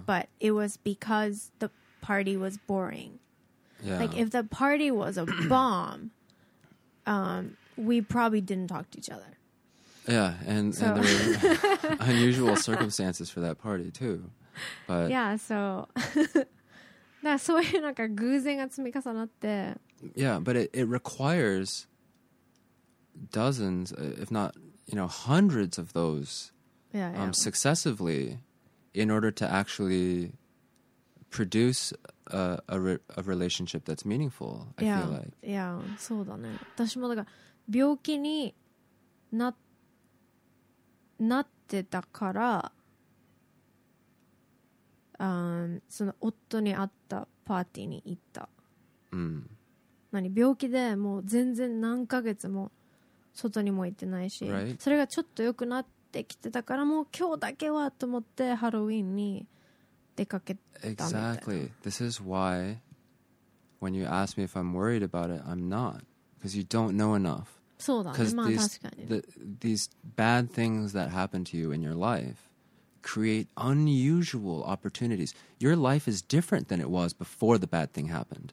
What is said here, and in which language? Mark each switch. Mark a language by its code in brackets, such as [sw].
[en] But it was because the party was boring. Yeah. Like, if the party was a bomb, we probably didn't talk to each other. Yeah, and there were unusual circumstances for that party, too. But yeah, so... [ja] そういうなんか偶然が積み重なって... [en] Yeah, but it requires dozens, if not, you know, hundreds of those successively in order to actually produce a relationship that's meaningful, I feel like. Yeah, [ja] そうだね。私もだから病気になってなってたから、その夫に会ったパーティーに行った、何病気でもう全然何ヶ月も外にも行ってないし、 [en] right. [ja] それがちょっと良くなってきてたから、もう今日だけはと思ってハロウィンに出かけたみたいな。 [en] Exactly. This is why when you ask me if I'm worried about it, I'm not. Because you don't know enough [ja] そうだね。まあ確かに。 [en] These bad things that happen to you in your life create unusual opportunities. Your life is different than it was before the bad thing happened.